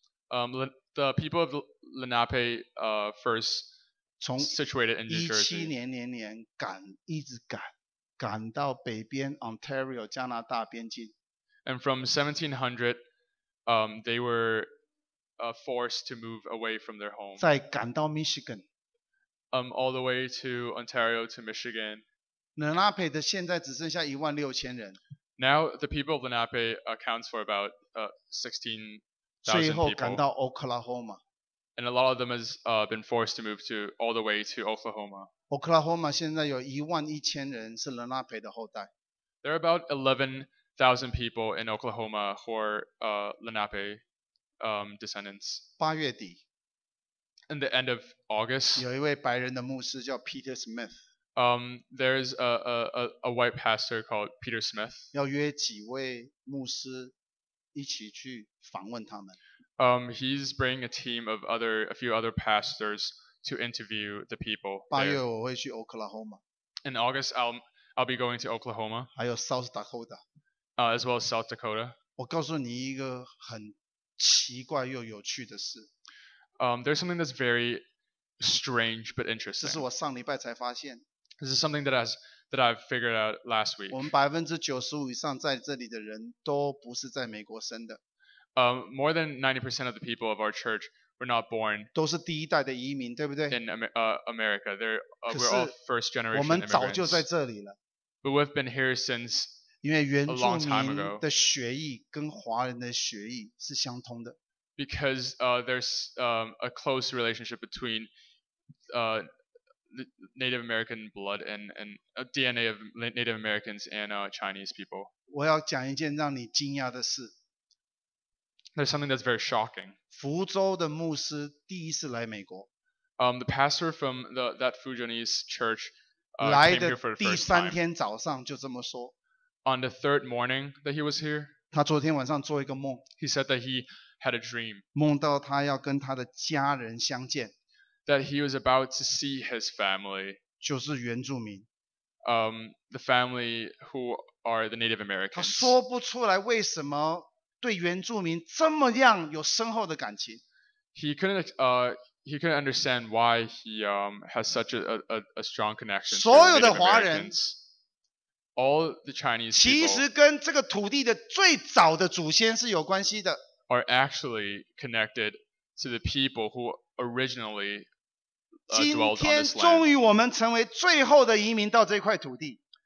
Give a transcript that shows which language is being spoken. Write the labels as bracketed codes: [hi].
[en] The people of Lenape first situated in New Jersey. [zh] 1700年赶，一直赶，赶到北边 Ontario 加拿大边境。 [en] And from 1700, they were forced to move away from their home. [zh] 再赶到 Michigan. [en] All the way to Ontario to Michigan. [zh] 拿佩的现在只剩下一万六千人。 [en] Now the people of Lenape accounts for about 16,000 [zh] people. 最后赶到 Oklahoma. [en] And a lot of them has been forced to move to all the way to Oklahoma. [zh] Oklahoma 现在有一万一千人是 Lenape 的后代。 [en] There are about 11,000 people in Oklahoma who are Lenape descendants. [zh] 八月底。 [en] In the end of August. [zh] 有一位白人的牧师叫 Peter Smith. [en] There is a white pastor called Peter Smith. [zh] 要约几位牧师一起去访问他们。 [en] He's bringing a team of a few other pastors to interview the people. [zh] 八月我会去 Oklahoma. [en] In August, I'll be going to Oklahoma. [zh] 还有 South Dakota. [en] As well as South Dakota. [zh] 我告诉你一个很奇怪又有趣的事。 [en] There's something that's very strange but interesting. [zh] 这是我上礼拜才发现。 [en] This is something that I've figured out last week. [zh] 我们百分之九十五以上在这里的人都不是在美国生的。 [en] More than 90% of the people of our church were not born. [zh] 都是第一代的移民，对不对 [en] ？In America, we're all first generation. [zh] 我们早就在这里了。 [en] But we've been here since a long time ago. [zh] 因为原住民的血裔跟华人的血裔是相通的。 [en] Because there's a close relationship between Native American blood and DNA of Native Americans and Chinese people. [zh] 我要讲一件让你惊讶的事。 [en] There's something that's very shocking. [zh] 福州的牧师第一次来美国。 [en] The pastor from that Fujianese church came here for the first time. [zh] 第三天早上就这么说。 [en] On the third morning that he was here. [zh] 他昨天晚上做一个梦。 [en] He said that he had a dream. [zh] 梦到他要跟他的家人相见。 [en] That he was about to see his family, [zh] 就是原住民。 [en] The family who are the Native Americans. [zh] 他说不出来为什么对原住民这么样有深厚的感情。 [en] He couldn't understand why he has such a strong connection. [zh] 所有的华人 [en] ，all the Chinese people, [zh] 其实跟这个土地的最早的祖先是有关系的。 [en] Are actually connected to the people who originally. [zh] 今天终于我们成为最后的移民到这块土地。